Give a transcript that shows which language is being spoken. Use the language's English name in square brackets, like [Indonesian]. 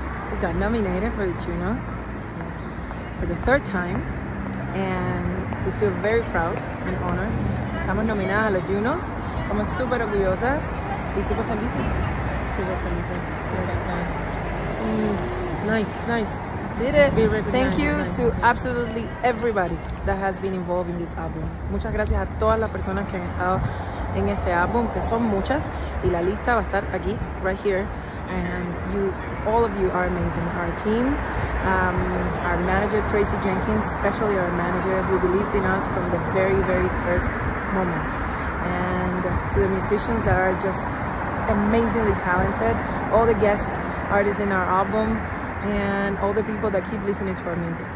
[English] We got nominated for the Junos for the third time, and we feel very proud and honored. [Spanish] Estamos nominadas a los Junos. Estamos super orgullosas y super felices. Super felices. [English] Nice. Did it. Thank you to absolutely everybody that has been involved in this album. [Spanish] Muchas gracias a todas las personas que han estado en este álbum, que son muchas, y la lista va a estar aquí, [English] right here. And you, all of you are amazing. Our team, our manager, Tracy Jenkins, especially our manager, who believed in us from the very, very first moment. And to the musicians that are just amazingly talented, all the guest artists in our album, and all the people that keep listening to our music.